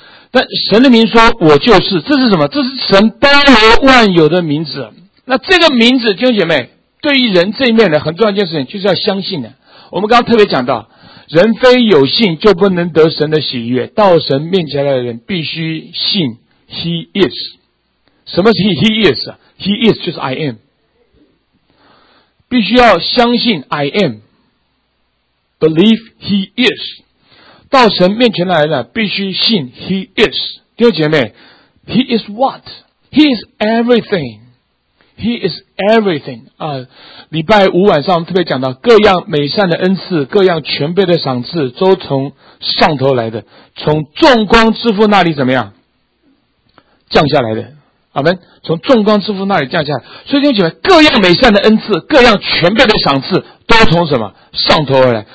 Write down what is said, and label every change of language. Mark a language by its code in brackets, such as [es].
[zh] 但神的名说我就是，这是什么？这是神包罗万有的名字。那这个名字，弟兄姐妹，对于人这一面的很重要一件事情，就是要相信的。我们刚刚特别讲到，人非有信就不能得神的喜悦，到神面前来的人必须信 He is。什么是 He is？ He is 就是 I am，必须要相信 I am， Believe He is。到神面前来的必须信 He is。 [en] 弟兄姐妹， He is what？ He is everythingHe is everything。 [zh] 礼拜五晚上我们特别讲到各样美善的恩赐，各样全备的赏赐，都从上头来的，从众光之父那里怎么样降下来的。阿们，从众光之父那里降下来。所以弟兄姐妹，各样美善的恩赐，各样全备的赏赐，都从什么上头而来。